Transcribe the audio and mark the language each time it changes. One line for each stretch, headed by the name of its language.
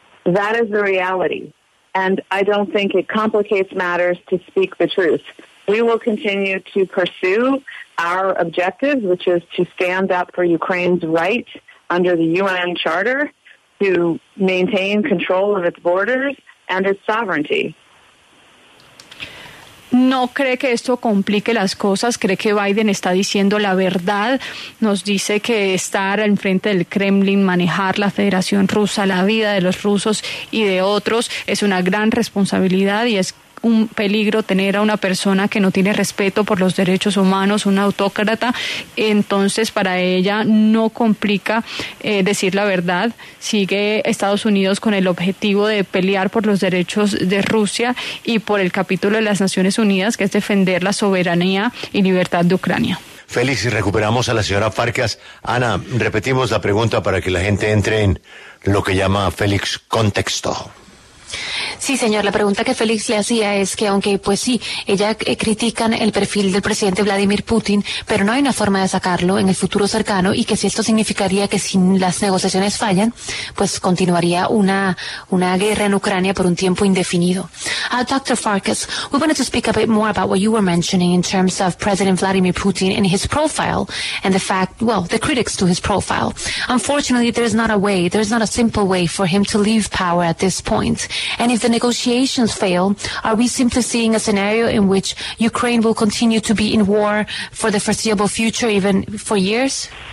English: That is the reality. And I don't think it complicates matters to speak the truth. We will continue to pursue our objective, which is to stand up for Ukraine's right under the UN Charter to maintain control of its borders and its sovereignty.
Spanish: ¿No cree que esto complique las cosas? ¿Cree que Biden está diciendo la verdad? Nos dice que estar al frente del Kremlin, manejar la Federación Rusa, la vida de los rusos y de otros, es una gran responsabilidad y es un peligro tener a una persona que no tiene respeto por los derechos humanos, un autócrata. Entonces, para ella no complica decir la verdad. Sigue Estados Unidos con el objetivo de pelear por los derechos de Rusia y por el capítulo de las Naciones Unidas, que es defender la soberanía y libertad de Ucrania. Félix, recuperamos a la señora Farkas. Ana, repetimos la pregunta para que la gente entre en lo que llama Félix Contexto. Sí, señor, la pregunta que Félix le hacía es que aunque, pues sí, ella critican el perfil del presidente Vladimir Putin, pero no hay una forma de sacarlo en el futuro cercano y que si esto significaría que si las negociaciones fallan, pues continuaría una guerra en Ucrania por un tiempo indefinido.
English: Dr. Farkas, we wanted to speak a bit more about what you were mentioning in terms of President Vladimir Putin and his profile and the fact, well, the critics to his profile. Unfortunately, there's not a simple way for him to leave power at this point. And if the negotiations fail, are we simply seeing a scenario in which Ukraine will continue to be in war for the foreseeable future, even for years?